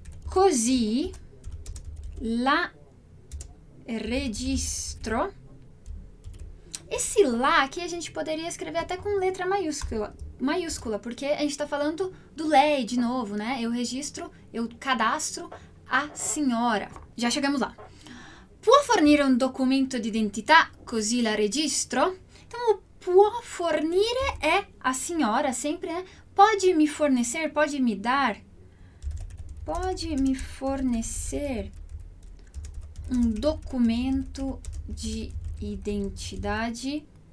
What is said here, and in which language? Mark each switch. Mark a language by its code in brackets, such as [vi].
[it] Così la registro. [pt] Esse lá aqui a gente poderia escrever até com letra maiúscula, porque a gente está falando do lei de novo, né? Eu registro, eu cadastro a senhora. Já chegamos lá. [it] Può fornire un documento di identità, così la registro? [pt] Então, o [it] può fornire [pt] é a senhora, sempre, né? Pode me fornecer, pode me dar? Pode me fornecer um documento de identidade?